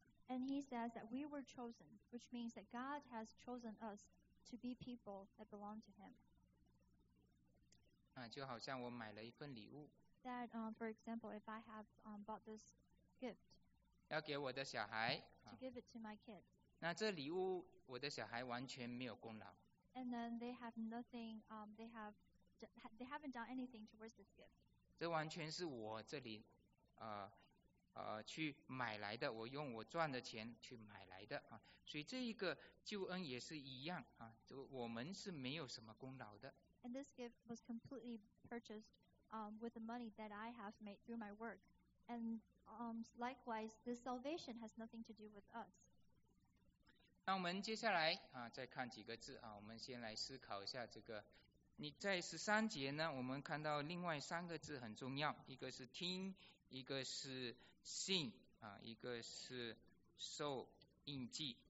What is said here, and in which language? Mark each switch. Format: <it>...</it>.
<en>And he says that we were chosen, which means that God has chosen us to be people that belong to him.</en> <zh>啊, 就好像我买了一份礼物,</zh> <en>that, for example, if I have bought this gift,</en> <zh>要给我的小孩,</zh> <en>to give it to my kids,</en> <zh>那这礼物, 我的小孩完全没有功劳,</zh> <en>and then they have nothing, they haven't done anything towards this gift.</en> <zh>这完全是我这里, 去买来的, 我用我赚的钱去买来的, 啊, 所以这一个救恩也是一样, 啊, 我们是没有什么功劳的。</zh> <en>And this gift was completely purchased with the money that I have made through my work. And likewise, this salvation has nothing to do with us.</en> <zh>那我们接下来, 啊, 再看几个字, 啊, 我们先来思考一下这个, 你在13节呢, 我们看到另外三个字很重要, 一个是听, 一个是信, 啊, 一个是受印记。</zh>